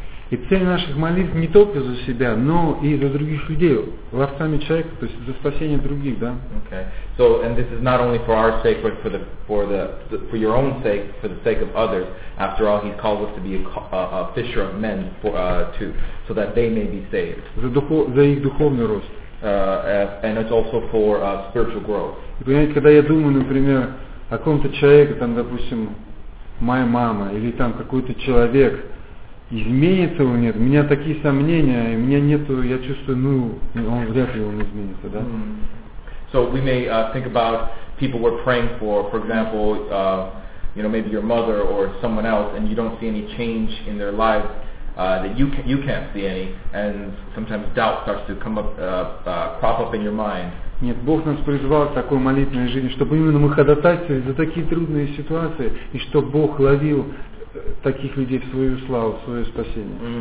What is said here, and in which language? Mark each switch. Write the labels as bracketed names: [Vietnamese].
[Russian] И цель наших молитв не только за себя, но и за других людей, ловцами человека, то есть за спасение других, да? [English] Okay. So, and this is not only for our sake, but for your own sake, for the sake of others. After all, He's called us to be a fisher of men so that they may be saved. [Russian] За их духовный рост. [English] And it's also for spiritual growth. [Russian] И понимаете, когда я думаю, например, о каком-то человеке, там, допустим, моя мама, или там какой-то человек, изменится он нет. У меня такие сомнения, и у меня нету, я чувствую, ну, он вряд ли он изменится, да? Mm-hmm. [English] So we may think about people we're praying for example, you know, maybe your mother or someone else, and you don't see any change in their life, that you can't see any, and sometimes doubt starts to come up, crop up in your mind. [Russian] Нет, Бог нас призвал к такой молитвенной жизни, чтобы именно мы ходатайствовали за такие трудные ситуации, и чтобы Бог ловил таких людей в свою славу, в свое спасение.